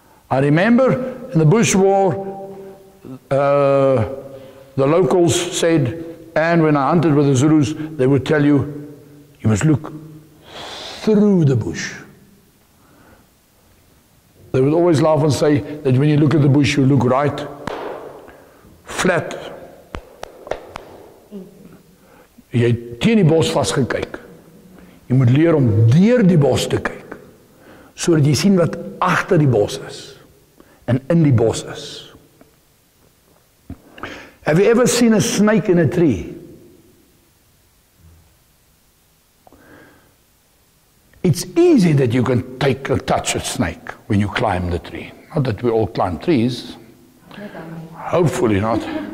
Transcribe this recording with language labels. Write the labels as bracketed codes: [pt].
[en] I remember in the Bush War, the locals said, and when I hunted with the Zulus, they would tell you, you must look through the bush. They would always laugh and say that when you look at the bush, you look right, flat. [af] Jy het teen die bos vas gekyk. Jy moet leer om deur die bos te kyk, sodat jy sien wat agter die bos is en in die bos is. [en] Have you ever seen a snake in a tree? It's easy that you can take a touch a snake when you climb the tree. Not that we all climb trees. Hopefully not.